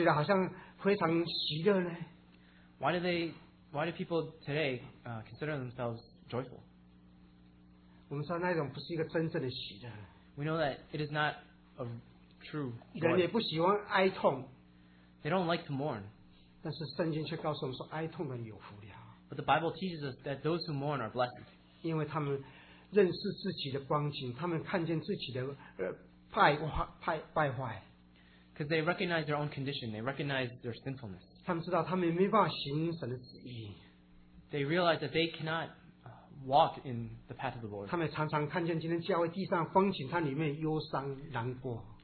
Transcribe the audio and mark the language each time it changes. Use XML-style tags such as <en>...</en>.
<zh>为什么人今天觉得好像非常喜乐呢？</zh> <en>Why do people today consider themselves joyful?</en> <zh>我们说那种不是一个真正的喜乐。</zh> <en>We know that it is not a true joy.</en> <zh>人也不喜欢哀痛。</zh> <en>They don't like to mourn.</en> <zh>但是圣经却告诉我们说哀痛的人有福了。</zh> <en>But the Bible teaches us that those who mourn are blessed.</en> <zh>因为他们认识自己的光景，他们看见自己的败坏。</zh> <en>Because they recognize their own condition, they recognize their sinfulness.</en> <zh>他们知道他们没办法行神的旨意。</zh> <en>They realize that they cannot walk in the path of the Lord.</en> <zh>他们常常看见今天教会地上的光景，他里面忧伤难过。</zh>